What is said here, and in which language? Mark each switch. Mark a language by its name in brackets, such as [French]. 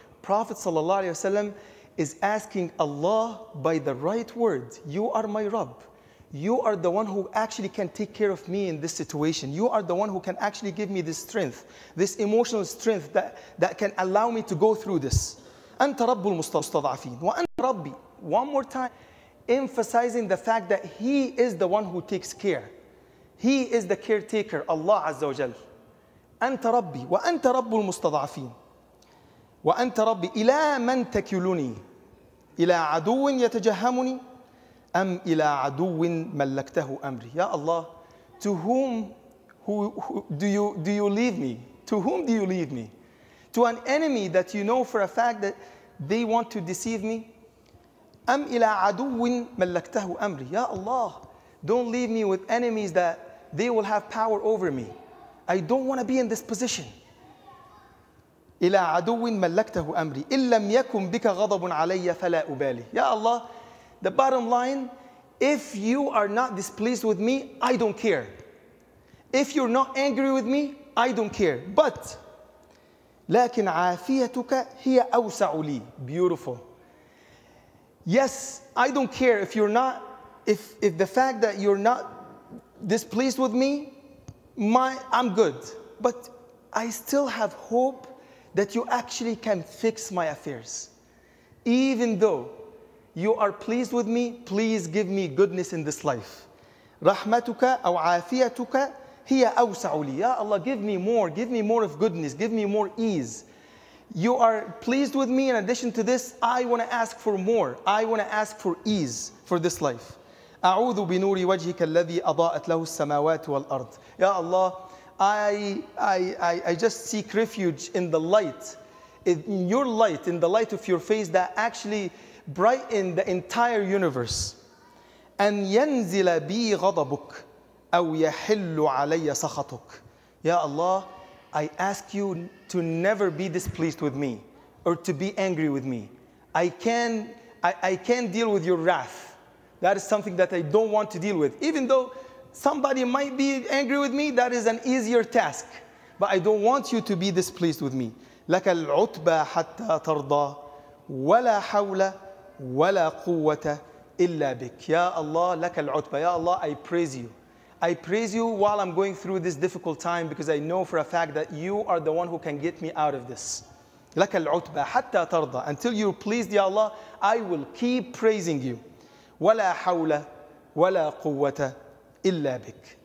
[English] Prophet sallallahu alaihi wasallam is asking Allah by the right word. You are my Rabb. You are the one who actually can take care of me in this situation. You are the one who can actually give me this strength, this emotional strength that can allow me to go through this. [Arabic] أنت رب المستضعفين وأنت ربي. [English] One more time, emphasizing the fact that He is the one who takes care. He is the caretaker, Allah Azza wa Jal. [Arabic] أنت ربي وأنت رب المستضعفين وأنت ربي. إلى من تكلني؟ إلى عدو يتجهمني؟ أم إلى عدو ملكته أمري؟ يا الله, [English] to whom do you leave me? To whom do you leave me? To an enemy that you know for a fact that they want to deceive me? [Arabic] أم إلى عدو ملكته أمري؟ يا الله, [English] don't leave me with enemies that they will have power over me. I don't want to be in this position. [Arabic] إلى عدو ملكته أمري. إن لم يكن بك غضب علي فلا أبالي. [English] يا الله, the bottom line, if you are not displeased with me, I don't care. If you're not angry with me, I don't care. But [Arabic] لكن عافيتك هي أوسع لي. [English] Beautiful. Yes, I don't care if you're not, if the fact that you're not displeased with me, I'm good. But I still have hope that you actually can fix my affairs. Even though you are pleased with me, please give me goodness in this life. [Arabic] رحمتك أو عافيتك هي أوسع لي. [English] Ya Allah, give me more of goodness, give me more ease. You are pleased with me, in addition to this, I want to ask for more. I want to ask for ease for this life. [Arabic] أعوذ بنور وجهك الذي أضاءت له السماوات والأرض. [English] Ya Allah, I just seek refuge in the light, in your light, in the light of your face that actually brightened the entire universe. [Arabic] أن ينزل بي غضبك أو يحل علي سخطك. [English] Ya Allah, I ask you to never be displeased with me or to be angry with me. I can deal with your wrath. That is something that I don't want to deal with. Even though somebody might be angry with me, that is an easier task. But I don't want you to be displeased with me. [Arabic] لك العتبة حتى ترضى ولا حول ولا قوة إلا بك. يا الله, لك العتبة. [English] يا الله, I praise you. I praise you while I'm going through this difficult time because I know for a fact that you are the one who can get me out of this. [Arabic] لك العتبة حتى ترضى. [English] Until you're pleased, Ya Allah, I will keep praising you. [Arabic] ولا حول ولا قوة إلا بك.